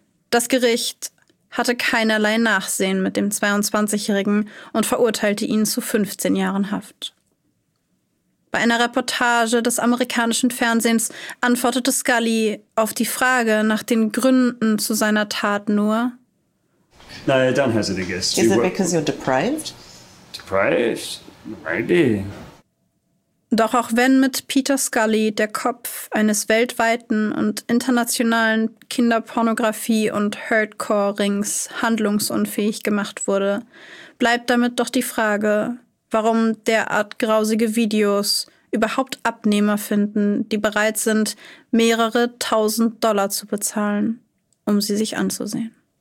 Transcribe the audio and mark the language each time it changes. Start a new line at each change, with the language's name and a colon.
German: Das Gericht hatte keinerlei Nachsehen mit dem 22-Jährigen und verurteilte ihn zu 15 Jahren Haft. Bei einer Reportage des amerikanischen Fernsehens antwortete Scully auf die Frage nach den Gründen zu seiner Tat nur:
English: No, I don't hesitate to guess. Is it because you're deprived? Deprived? Maybe.
German: Doch auch wenn mit Peter Scully der Kopf eines weltweiten und internationalen Kinderpornografie- und Hurtcore-Rings handlungsunfähig gemacht wurde, bleibt damit doch die Frage, warum derart grausige Videos überhaupt Abnehmer finden, die bereit sind, mehrere tausend Dollar zu bezahlen, um sie sich anzusehen.